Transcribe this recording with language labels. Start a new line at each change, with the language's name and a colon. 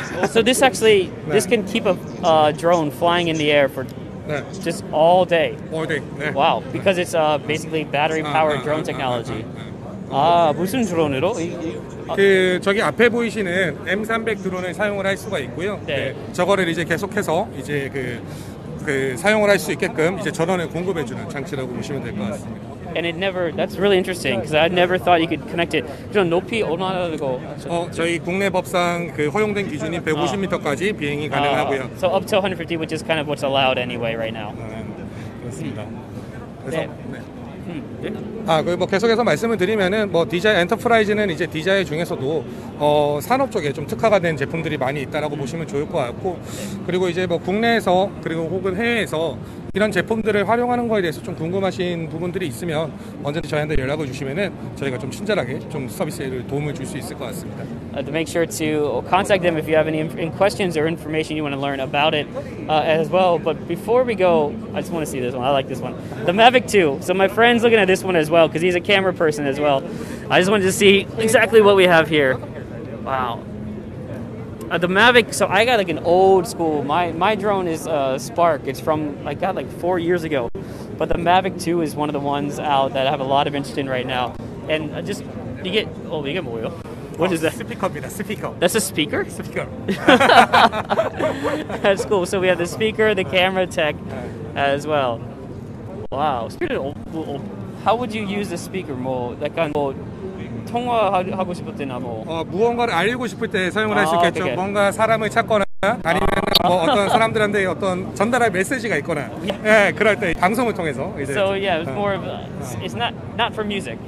English: So this actually, this can keep a drone flying in the air for just all day. All day. Wow, because it's basically battery-powered drone technology.
Korean: 무슨 드론으로? 그 저기 앞에 보이시는 M300 드론을 사용을 할 수가 있고요. 네. 저거를 이제 계속해서 이제 그 사용을 할 수 있게끔 이제 전원을 공급해주는 장치라고 보시면 될 것 같습니다.
English: And it never, that's really interesting because I never thought you could connect it.
Korean: 그럼 높이 얼마나고? 저희 국내 법상 그 허용된 기준이 150m까지 비행이 가능하고요.
English: So up to 150, which is kind of what's allowed anyway right now.
Korean: 그렇습니다. 그래서, 네. 그리고 뭐 계속해서 말씀을 드리면은 뭐 DJI 엔터프라이즈는 이제 DJI 중에서도 산업 쪽에 좀 특화가 된 제품들이 많이 있다라고 보시면 좋을 것 같고 그리고 이제 뭐 국내에서 그리고 혹은 해외에서 이런 제품들을 활용하는 거에 대해서 좀 궁금하신 부분들이 있으면 언제든지 저희한테 연락을 주시면은 저희가 좀 친절하게 좀 서비스를 도움을 줄 수 있을 것 같습니다.
English: To make sure to contact them if you have any questions or information you want to learn about it as well. But before we go, I just want to see this one. I like this one. The Mavic 2. So my friend's looking at this one as well because he's a camera person as well. I just wanted to see exactly what we have here. Wow. The Mavic, so I got like an old school, my drone is Spark. It's from, I got like 4 years ago. But the Mavic 2 is one of the ones out that I have a lot of interest in right now. And I just, you get more oil. What is that? Speaker. That's a speaker? Speaker. That's cool. So we have the speaker, the camera tech as well. Wow. How would you use the speaker more? Like on mode?
Korean: 통화하고 싶을 때나 무언가를 알리고 싶을 때 사용을 할 수 있겠죠. 오케이. 뭔가 사람을 찾거나 아니면 어떤 사람들한테 어떤 전달할 메시지가 있거나 예, 그럴 때 방송을 통해서 이제
English: So yeah, it's more of it's not for music.